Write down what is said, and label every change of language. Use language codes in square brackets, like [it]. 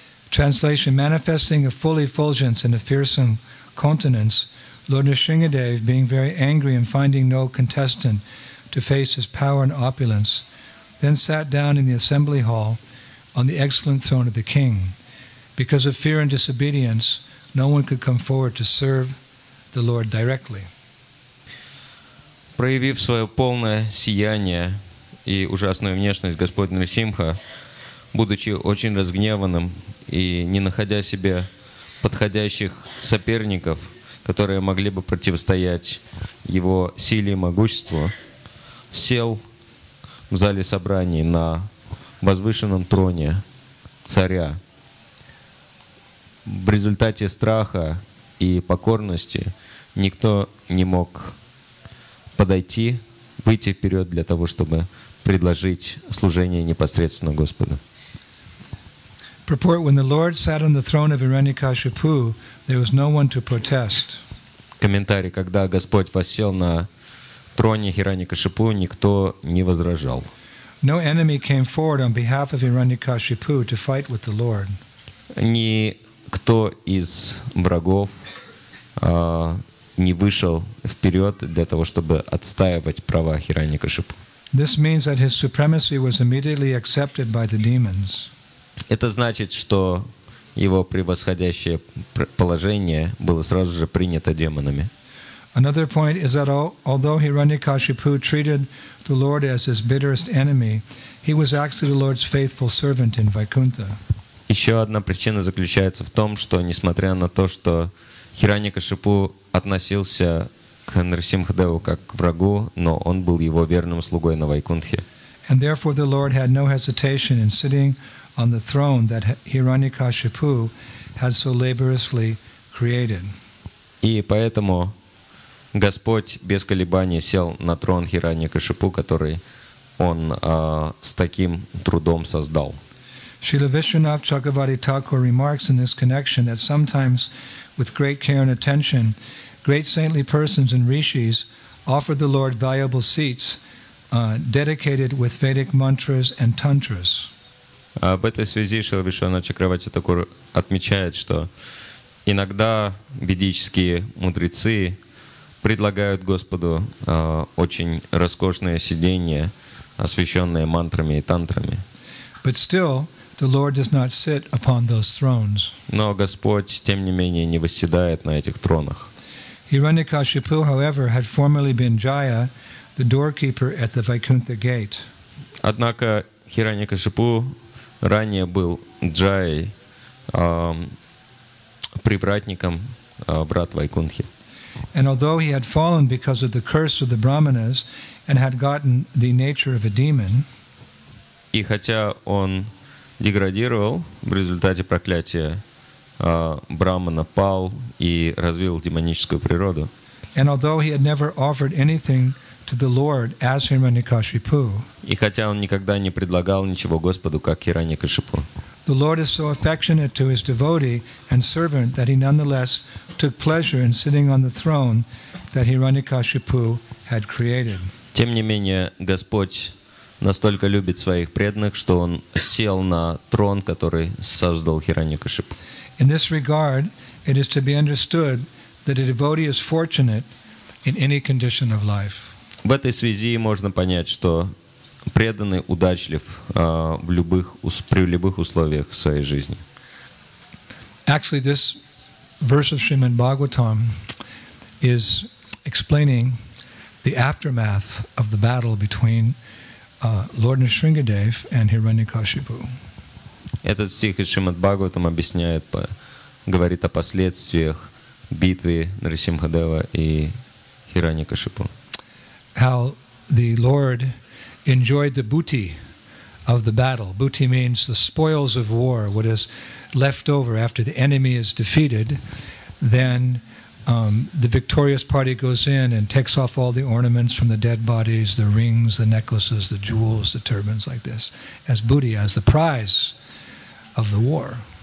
[en] Translation: manifesting a full effulgence and a fearsome countenance, Lord Nrisimhadev, being very angry and finding no contestant to face his power and opulence, then sat down in the assembly hall on the excellent throne of the king. Because of fear and disobedience, no one could come forward to serve the Lord directly. [ru] Проявив свое полное сияние и ужасную внешность, Господь Нрисимха, будучи очень разгневанным и не находя себе подходящих соперников, которые могли бы противостоять его силе и могуществу, сел в зале собраний на возвышенном троне царя. В результате страха и покорности никто не мог подойти, выйти вперед для того, чтобы предложить служение непосредственно Господу. [en] Purport: when the Lord sat on the throne of Hiranyakashipu, there was no one to protest. [ru] Комментарий: когда Господь воссел на троне Хираньякашипу, никто не возражал. [en] No enemy came forward on behalf of Hiranyakashipu to fight with the Lord. [ru] Никто из врагов не вышел вперед для того, чтобы отстаивать права Хираньякашипу. [en] This means that his supremacy was immediately accepted by the demons. [ru] Это значит, что его превосходящее положение было сразу же принято демонами. [en] Another point is that although Hiranyakashipu treated the Lord as his bitterest enemy, he was actually the Lord's faithful servant in Vaikuntha. [ru] Еще одна причина заключается в том, что несмотря на то, что Хиранья-кашипу относился к Нрисимхадеву как к врагу, но он был его верным слугой на Вайкунтхе. [en] And therefore the Lord had no hesitation in sitting on the throne that Hiranyakashipu had so laboriously created. [ru] И поэтому Господь без колебаний сел на трон Хиранья-кашипу, который он с таким трудом создал. [en] Srila Vishwanath Chakravarti Thakur remarks in this connection that sometimes with great care and attention, great saintly persons and rishis offer the Lord valuable seats dedicated with Vedic mantras and tantras. [ru] В этой связи Шрила Вишванатха Чакравати Такур отмечает, что иногда ведические мудрецы предлагают Господу очень роскошное сидение, освященное мантрами и тантрами. [en] But still, the Lord does not sit upon those thrones. [ru] Но Господь, тем не менее, не восседает на этих тронах. [en] Hiranyakashipu, however, had formerly been Jaya, the doorkeeper at the Vaikuntha gate. [ru] Однако Хиранья-кашипу ранее был Джай, привратником брат Вайкунтхи. [en] And although he had fallen because of the curse of the brahmanas and had gotten the nature of a demon, [ru] и хотя он деградировал в результате проклятия брахмана, пал и развил демоническую природу. [en] And although he had never offered anything to the Lord as Hiranyakashipu. [ru] И хотя он никогда не предлагал ничего Господу, как Хиранья-кашипу. [en] The Lord is so affectionate to his devotee and servant that he nonetheless took pleasure in sitting on the throne that Hiranyakashipu had created. [ru] Тем не менее, Господь настолько любит своих преданных, что он сел на трон, который создал Хиранья-кашипу. [en] In this regard, it is to be understood that a devotee is fortunate in any condition of life. [ru] В этой связи можно понять, что преданный удачлив при любых условиях своей жизни. [en] Actually, this verse of Srimad Bhagavatam is explaining the aftermath of the battle between Lord Nrisimhadev and Hiranyakashipu. [ru] Этот стих из Шримад Бхагаватам объясняет, говорит о последствиях битвы Нрисимхадева и Хиранья-кашипу. [en] How the Lord enjoyed the booty of the battle. Booty means the spoils of war, what is left over after the enemy is defeated. Then The victorious party goes in and takes off all the ornaments from the dead bodies, the rings, the necklaces, the jewels, the turbans, like this, as booty, as the prize of the war.